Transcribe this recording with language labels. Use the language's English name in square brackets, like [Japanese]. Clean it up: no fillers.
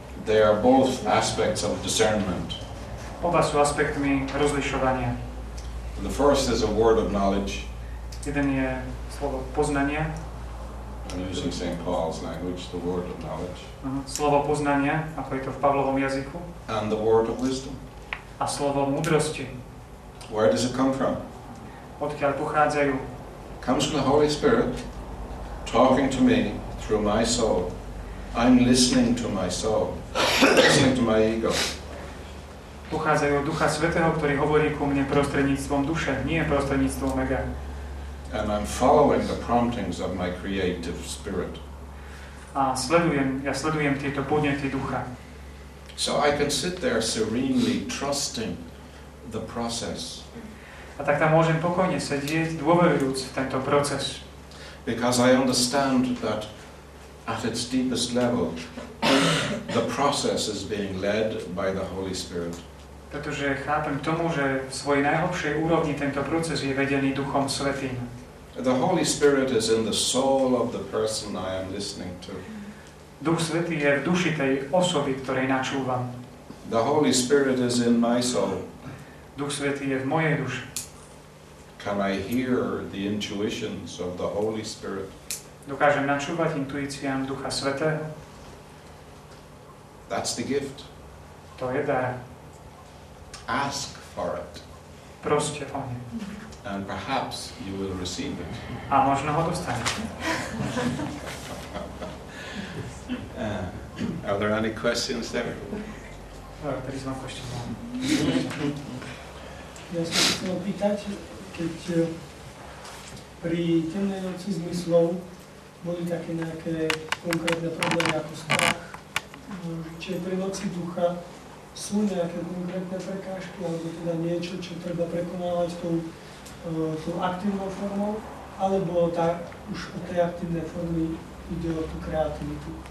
[English] They are both aspects of discernment. [Slovak] Oba sú aspektmi rozlišovania. [English] The first is a word of knowledge. [Slovak] Jeden je slovo poznania. [English] I'm using St. Paul's language, the word of knowledge. [Slovak] Slovo poznania, ako je to v Pavlovom jazyku. [English] And the word of wisdom. [Slovak] A slovo múdrosti. [English] Where does it come from? [Slovak] Odkiaľ pochádzajú? [English] Comes from the Holy Spirit talking to me through my soul. I'm listening to my soul. Listening to my ego. [Slovak] Pochádzajú od Ducha Svätého, ktorý hovorí ku mne prostredníctvom duše, nie prostredníctvom ega. [English] And I'm following the promptings of my creative spirit. [Slovak] A sledujem tieto podnety ducha. [English] So I can sit there serenely trusting the process. [Slovak] A tak tam môžem pokojne sedieť, dôverujúc v tento proces. [English] Because I understand that at its deepest level the process is being led by the Holy Spirit. [Slovak] Pretože chápem tomu, že v svojej najhlbšej úrovni tento proces je vedený Duchom Svätým. [English] The Holy Spirit is in the soul of the person I am listening to. [Slovak] Duch Svätý je v duši tej osoby, ktorej načúvam. [English] The Holy Spirit is in my soul. [Slovak] Duch Svätý je v mojej duši. [English] Can I hear the intuitions of the Holy Spirit? [Slovak] Dokážem načúvať intuíciám Ducha Svätého? [English] That's the gift. [Slovak] To je dar. [English] Ask for it. [Slovak] Proste o ne. [English] And perhaps you will receive it. [Slovak] A možno ho dostanete. [English] Are there any questions there? There is no question. [Slovak] Ja som chcel pýtať, keď pri temnej noci zmyslov boli také nejaké konkrétne problémy ako strach, čiže pri noci ducha, sú nejaké konkrétne prekážky, alebo teda niečo, čo treba prekonávať tou aktívnou formou, alebo tak už o tej aktívnej formy ide o tú kreativitu?